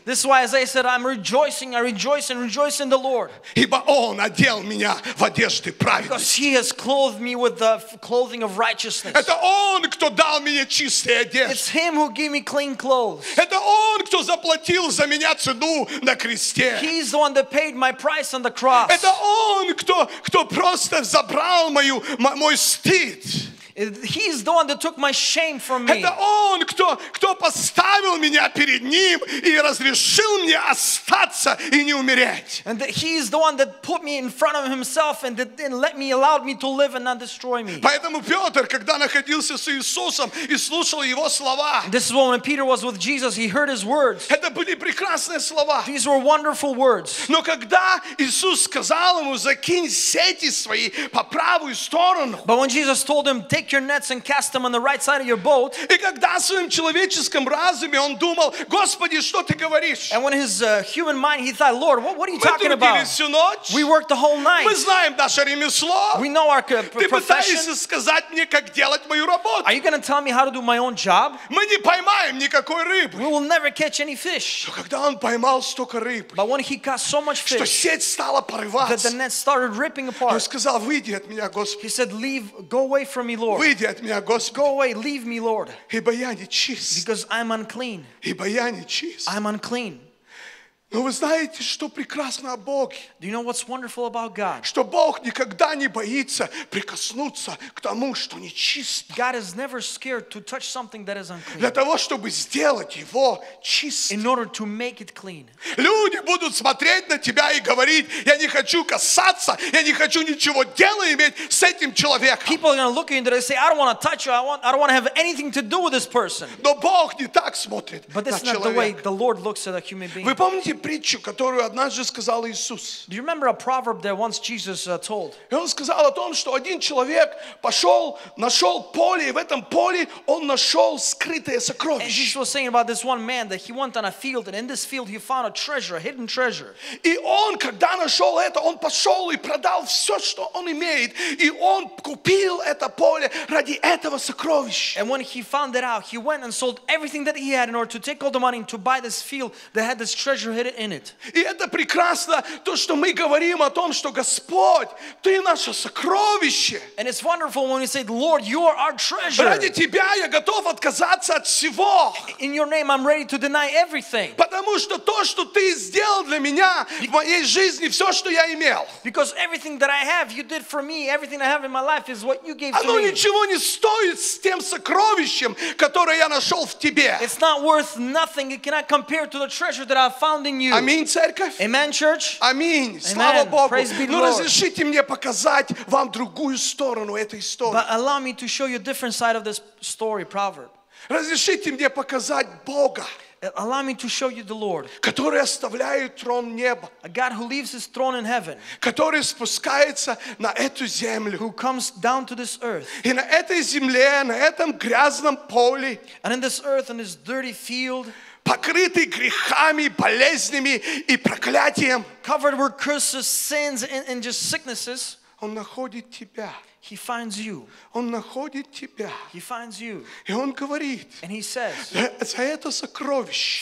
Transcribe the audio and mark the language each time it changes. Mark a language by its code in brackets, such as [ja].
[en] This is why Isaiah said, I'm rejoicing, I rejoice and rejoice in the Lord. [ru] Ибо Он одел меня в одежды праведности. [en] Because He has clothed me with the clothing of righteousness. [ru] Это Он, кто дал мне чистые одежды. [en] It's Him who gave me clean clothes. [ru] Это Он, кто заплатил за меня цену на кресте. [en] He's the one that paid my price on the cross. [ru] Это Он, кто просто забрал мой стыд. [en] He's the one that took my shame from me. [ru] Это Он, кто поставил меня перед Ним и разрешил мне остаться и не умереть. [en] And He's the one that put me in front of Himself and then allowed me to live and not destroy me. [ru] Поэтому Петр, когда находился с Иисусом и слушал Его слова, [en] this is when Peter was with Jesus, he heard His words. [ru] Это были прекрасные слова. [en] These were wonderful words. [ru] Но когда Иисус сказал ему: закинь сети свои по правую сторону. [en] But when Jesus told him, take your nets and cast them on the right side of your boat. [ru] И когда в своем человеческом разуме он думал: Господи, что ты говоришь? [en] And when his human mind, he thought, Lord, what are you talking about? [ru] Мы трудились всю ночь. [en] We worked the whole night. [ru] Мы знаем наше ремесло. [en] We know our profession. [ru] Ты пытаешься сказать мне, как делать мою работу? [en] Are you going to tell me how to do my own job? [ru] Мы не поймаем никакой рыбы. [en] We will never catch any fish. [ru] Но когда он поймал столько рыб, [en] but when he caught so much fish, [ru] что сеть стала порываться, [en] that the net started ripping apart, [ru] он сказал: выйди от меня, Господи. [en] He said, leave, go away from me, Lord. [ru] Выйди от меня, Господи. [en] Go away, leave me, Lord. [ru] Ибо я не чист. [en] Because I'm unclean. [ru] Ибо я не чист. [en] I'm unclean. [ru] Но вы знаете, что прекрасно о Боге? [en] Do you know what's wonderful about God? [ru] Что Бог никогда не боится прикоснуться к тому, что нечисто. [en] God is never scared to touch something that is unclean. [ru] Для того, чтобы сделать его чистым. [en] In order to make it clean. [ru] Люди будут смотреть на тебя и говорить: я не хочу касаться, я не хочу ничего дела иметь с этим человеком. [en] People are going to look at you and they say, I don't want to touch you, I don't want to have anything to do with this person. [ru] Но Бог не так смотрит на человека. [en] But that's not the way the Lord looks at a human being. [ru] Вы помните притчу, которую однажды сказал Иисус? [en] Do you remember a proverb that once Jesus told? [ru] И он сказал о том, что один человек пошел, нашел поле, и в этом поле он нашел скрытое сокровище. [en] And Jesus was saying about this one man that he went on a field, and in this field he found a treasure, a hidden treasure. [ru] И он, когда нашел это, он пошел и продал все, что он имеет, и он купил это поле ради этого сокровища. [en] And when he found it out, he went and sold everything that he had in order to take all the money to buy this field that had this treasure. [ru] И это прекрасно, то, что мы говорим о том, что Господь, Ты наше сокровище. [en] And it's wonderful when we say, Lord, You are our treasure. [ru] Ради Тебя я готов отказаться от всего. [en] In Your name, I'm ready to deny everything. [ru] Потому что то, что Ты сделал для меня в моей жизни, все, что я имел. [en] Because everything that I have, You did for me. Everything I have in my life is what You gave to me. [ru] Оно ничего не стоит с тем сокровищем, которое я нашел в Тебе. [en] It's not worth nothing. It cannot compare to the treasure that I've found in you. [ru] Amen, церковь. [en] Amen, church. [ru] Amen. Слава Богу. [en] Praise be to the Lord. [ru] Разрешите мне показать вам другую сторону этой истории. [en] But allow me to show you a different side of this story, proverb. [ru] Разрешите мне показать Бога. [en] Allow me to show you the Lord. [ru] Который оставляет трон неба. [en] A God who leaves His throne in heaven. [ru] Который спускается на эту землю. [en] Who comes down to this earth. [ru] И на этой земле, на этом грязном поле. [en] And in this earth, in this dirty field. [ru] Покрытый грехами, болезнями и проклятием. [en] Covered with curses, sins, and just sicknesses. [ru] Он находит тебя. [en] He finds you. [ru] Он находит тебя. [en] He finds you. [ru] И он говорит. [en] And he says. [ru] За это сокровище.